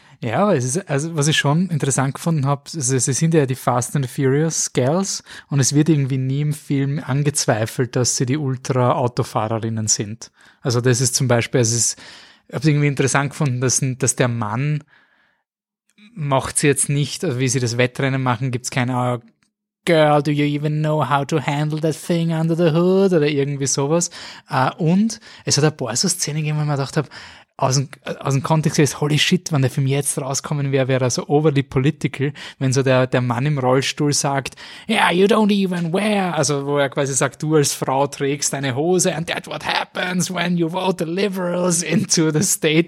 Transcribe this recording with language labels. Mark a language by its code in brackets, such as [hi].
[de] Ja, aber was ich schon interessant gefunden habe, also sie sind ja die Fast and the Furious Girls und es wird irgendwie nie im Film angezweifelt, dass sie die Ultra-Autofahrerinnen sind. Also das ist zum Beispiel, also ich habe es irgendwie interessant gefunden, dass der Mann macht sie jetzt nicht, also wie sie das Wettrennen machen, gibt es keine [en] Girl, do you even know how to handle that thing under the hood? [de] Oder irgendwie sowas. Und es hat ein paar so Szenen gegeben, wo ich mir gedacht habe, aus dem Kontext ist, [en] holy shit, [de] wenn der Film jetzt rauskommen wäre, wäre er so [en] overly political, [de] wenn so der Mann im Rollstuhl sagt, [en] yeah, you don't even wear, [de] also wo er quasi sagt, du als Frau trägst deine Hose [en] and that's what happens when you vote the liberals into the state.